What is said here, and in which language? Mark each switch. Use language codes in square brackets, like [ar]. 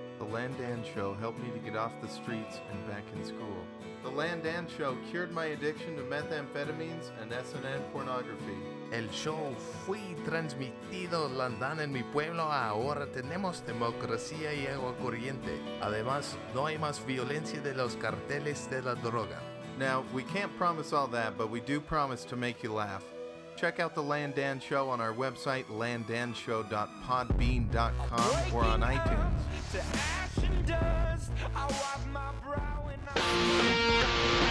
[en] Land and Show helped me to get off the streets and back in school. The Land and Show cured my addiction to methamphetamines and S&M pornography. [es] El show fue transmitido Landan en mi pueblo. Ahora tenemos democracia y agua corriente. Además, no hay más violencia de los carteles de la droga. [en] Now, we can't promise all that, but we do promise to make you laugh. Check out the Land and Show on our website, landandshow.podbean.com, or on iTunes. To ash and dust, I wipe my brow and I...